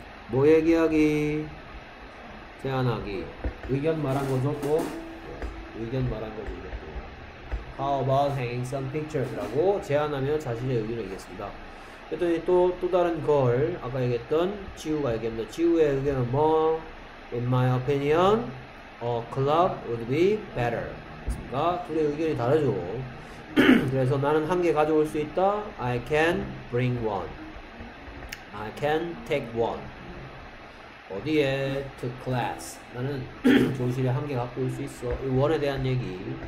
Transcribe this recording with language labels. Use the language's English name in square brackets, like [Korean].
[Korean] 뭐 얘기하기? 제안하기. 의견 말한 거죠, 또? 의견 말한 거죠. [English] How about hanging some pictures? [Korean] 라고 제안하며 자신의 의견을 얘기했습니다. 그랬더니 또 다른 걸 아까 얘기했던 지우가 얘기합니다. 지우의 의견은 뭐? [English] In my opinion, a club would be better. [Korean] 그러니까 둘의 의견이 다르죠. 그래서 나는 한개 가져올 수 있다. [English] I can bring one. I can take one. [Korean] 어디에? [English] To class. [Korean] 나는 교실에 한개 갖고 올수 있어. 이 원에 대한 얘기.